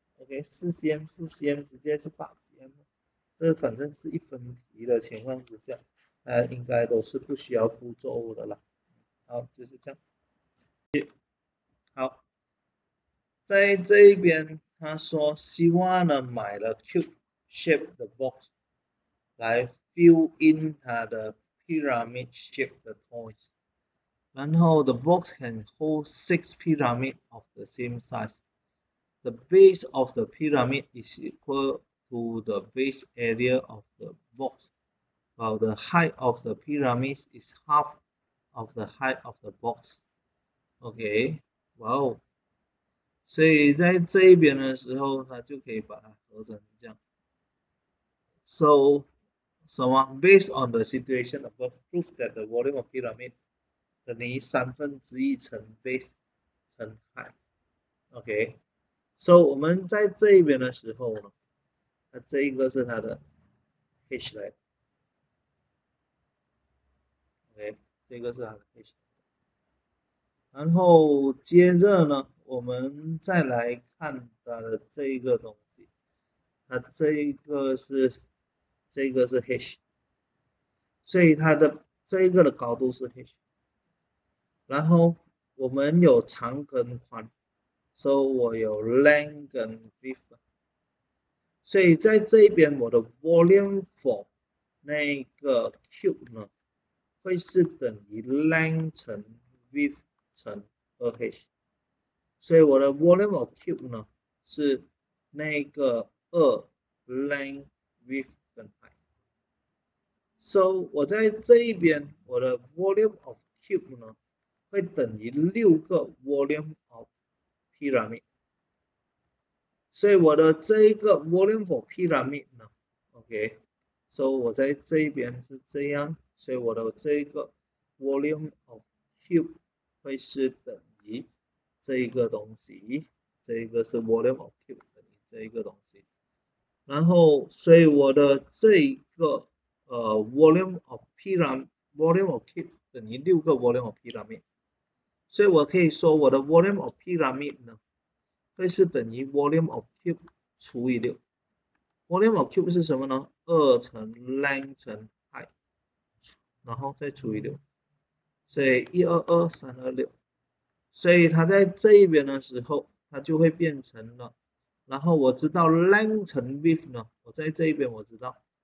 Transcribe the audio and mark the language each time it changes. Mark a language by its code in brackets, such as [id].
[zh] OK，4cm 直接是 8cm，这反正是一分题的情况之下。应该都是不需要步骤的了，好，就是这样。好，在这一边，他说希望呢买了 cube shape 的 box，来 fill in 它的 pyramid shape 的 toys。 [en] 然后 the box can hold six pyramid of the same size. The base of the pyramid is equal to the base area of the box, while the height of the pyramid is half of the height of the box. [zh] OK，哇哦，所以在这一边的时候，它就可以把它合成这样。 [en] So 什么？Based on the situation above, prove that the volume of pyramid [zh] 等于三分之一乘 [en] base 乘 height。 [zh] OK，所、so, 以我们在这一边的时候呢，它这一个是它的 h 来，OK，这个是它的 h 来。然后接着呢，我们再来看它的这一个东西，它这一个是。这个是 h，所以它的这个的高度是 h，然后我们有长跟宽，所、so、以我有 length 跟 width，所以在这边我的 volume for 那个 cube 呢，会是等于 length 乘 width 乘 2h，所以我的 [en] volume of cube [zh] 呢是那个2 length width。 So，我在这一边，我的 volume of cube 呢，会等于6个 [en] volume of pyramid。 [zh] 所以我的这一个 volume for pyramid 呢，OK，所、so、以我在这一边是这样，所以我的这一个 volume of cube 会是等于这一个东西，这一个是 volume of cube 等于这一个东西。然后，所以我的这一个。 volume of pyramid, volume of cube 等于六个 volume of pyramid，所以我可以说我的 volume of pyramid 呢，会是等于 volume of cube 除以六。 volume of cube 是什么呢？二乘 length 乘 height，然后再除以六，所以122326，所以它在这一边的时候，它就会变成了，然后我知道 length 乘 width 呢，我在这一边我知道。